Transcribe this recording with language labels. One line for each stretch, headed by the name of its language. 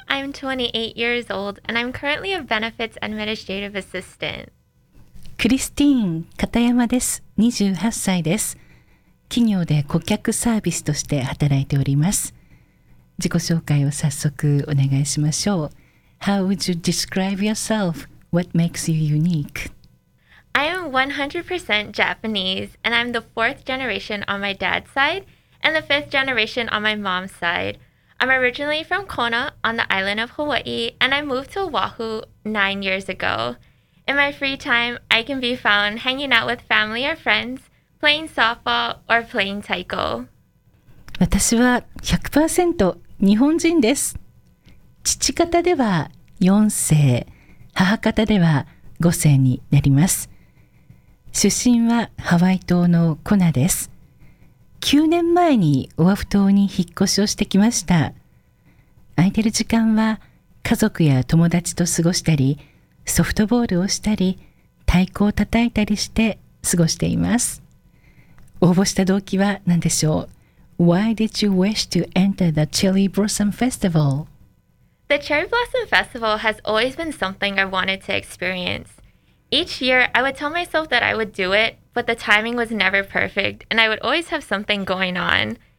English: I'm 28 years old and I'm currently a benefits administrative assistant.
Japanese: クリスティーン・カタヤマです。28歳です。企業で顧客サービスとして働いております。自己紹介を早速お願いしましょう。
English: How would you describe yourself? What makes you unique? I am 100% Japanese and I'm the fourth generation on my dad's side. And the fifth generation on my mom's side. I'm originally from Kona on the island of Hawaii, and I moved to Oahu 9 years ago. In my free time, I can be found hanging out with family or friends, playing softball or playing taiko.
Japanese: 私は 100% 日本人です。父方では4世、母方では5世になります。出身はハワイ島のコナです。9年前にオアフ島に引っ越しをしてきました。空いてる時間は家族や友達と過ごしたり、ソフトボールをしたり、太鼓を叩いたりして過ごしています。応募した動機は何でしょう?
English: Why did you wish to enter the Cherry Blossom Festival? The Cherry Blossom Festival has always been something I wanted to experience. Each year, I would tell myself that I would do it,But the timing was never perfect, and I would always have something going on.